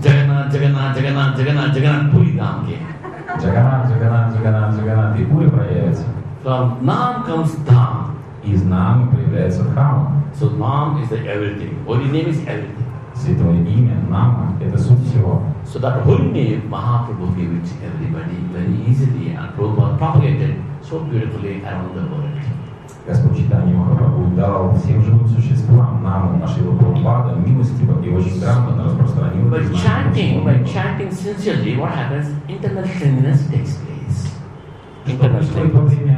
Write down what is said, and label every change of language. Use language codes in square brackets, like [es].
[ru] Джаганат, Джаганат, Джаганат, Джаганат, Джаганат, Пури Дамки. Джаганат, Джаганат, Джаганат, Джаганат, и Пури появится. [en] From Nam comes Dham. [ru] Из Нама появляется Дхама. [en] So Nam is the everything. Holy name is everything. [ru] Святое имя Нама – это суть всего. [en] So that holy name Mahaprabhu gave it to everybody very easily and Prabhupada propagated so beautifully around the world. [ru] Господь Чайтанья Махапрабху дал всем живым существам Наму нашего Прабхупада милостиво и очень грамотно распространил. [en] By chanting sincerely, what happens? Internal cleanliness takes place. internationally.